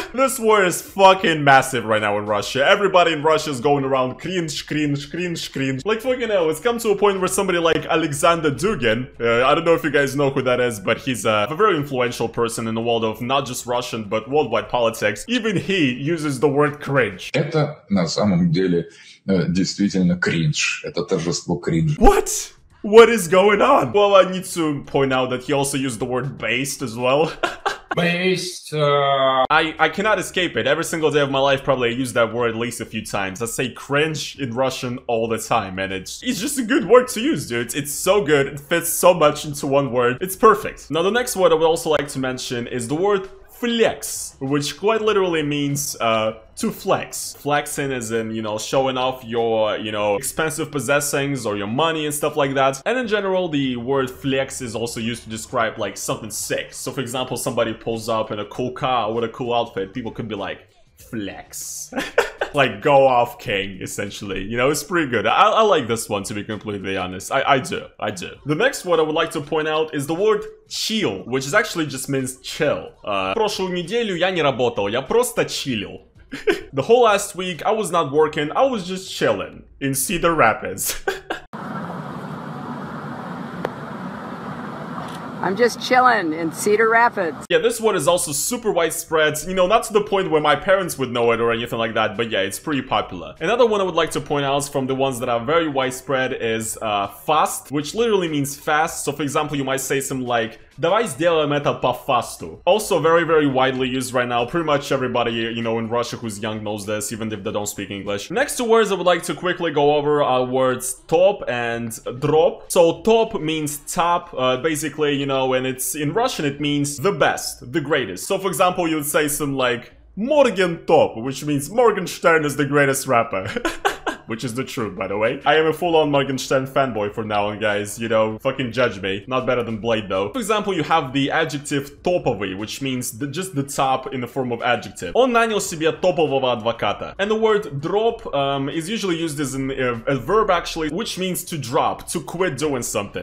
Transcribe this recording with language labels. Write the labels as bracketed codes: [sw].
[en] This word is fucking massive right now in Russia. Everybody in Russia is going around cringe, cringe, cringe, cringe. Like, fucking hell, it's come to a point where somebody like Alexander Dugin, I don't know if you guys know who that is, but he's a very influential person in the world of not just Russian, but worldwide politics. Even he uses the word cringe. [ru] Это на самом деле действительно кринж. Это торжество кринж. [en] What? What is going on? Well, I need to point out that he also used the word based as well. Based, I cannot escape it. Every single day of my life, probably I use that word at least a few times. I say cringe in Russian all the time, and it's just a good word to use, dude. It's so good. It fits so much into one word. It's perfect. Now, the next word I would also like to mention is the word flex, which quite literally means to flex. Flexing is in, you know, showing off your, you know, expensive possessions or your money and stuff like that. And in general, the word flex is also used to describe like something sick. So for example, somebody pulls up in a cool car with a cool outfit, people could be like, flex. Like, go off king, essentially. You know, it's pretty good. I like this one, to be completely honest. I do. The next word I would like to point out is the word chill, which is actually just means chill. [ru] Прошлую неделю я не работал, я просто чилил. [en] The whole last week, I was not working, I was just chilling in Cedar Rapids. I'm just chilling in Cedar Rapids. Yeah, this word is also super widespread, you know, not to the point where my parents would know it or anything like that, but yeah, it's pretty popular. Another one I would like to point out from the ones that are very widespread is fast, which literally means fast. So for example, you might say something like, [ru] давай сделаем это по-фасту. [en] Also very, very widely used right now. Pretty much everybody, you know, in Russia who's young knows this, even if they don't speak English. Next two words I would like to quickly go over are words top and drop. So top means top, basically, you know, and it's in Russian, it means the best, the greatest. So for example, you'd say some like Morgan Top, which means Morgenstern is the greatest rapper. Which is the truth, by the way. I am a full-on Morgenstern fanboy for now on, guys. You know, fucking judge me. Not better than Blade, though. For example, you have the adjective топовый, which means just the top in the form of adjective. [ru] Он нанял себе топового адвоката. [en] And the word drop is usually used as a verb, actually, which means to drop, to quit doing something.